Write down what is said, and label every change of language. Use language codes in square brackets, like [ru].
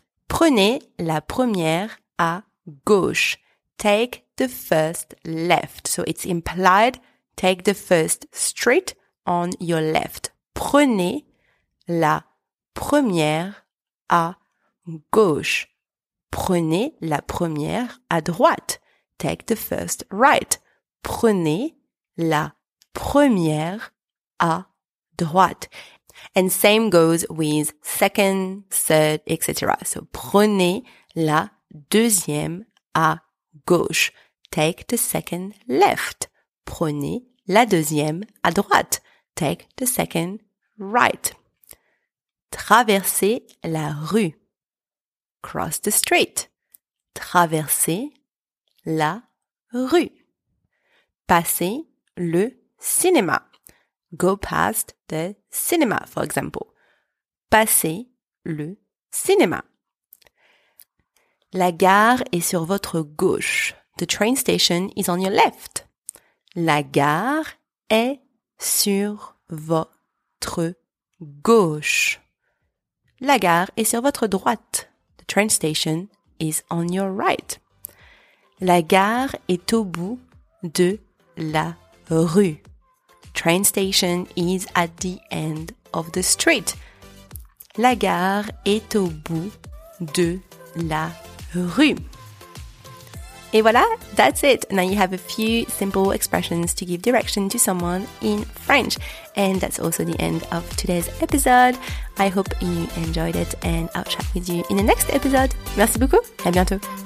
[fr] Prenez la première à gauche. [en] Take the first left. So it's implied, take the first street on your left. [fr] Prenez la première à gauche. Prenez la première à droite. [en] Take the first right. [fr] Prenez la première à droite. [en] And same goes with second, third, etc. [fr] So prenez la deuxième à gauche. [en] Take the second left. [fr] Prenez la deuxième à droite. [en] Take the second right. [fr] Traversez la rue. [en] Cross the street. [fr] Traversez la rue. Passer le cinéma. [en] Go past the cinema, for example. [fr] Passez le cinéma. La gare est sur votre gauche. [en] The train station is on your left. [fr] La gare est sur votre gauche. La gare est sur votre droite. [en] The train station is on your right. [fr] La gare est au bout de la rue. [en] The train station is at the end of the street. [fr] La gare est au bout de la rue. Et voilà, [en] that's it. Now you have a few simple expressions to give direction to someone in French. And that's also the end of today's episode. I hope you enjoyed it and I'll chat with you in the next episode. [fr] Merci beaucoup. À bientôt.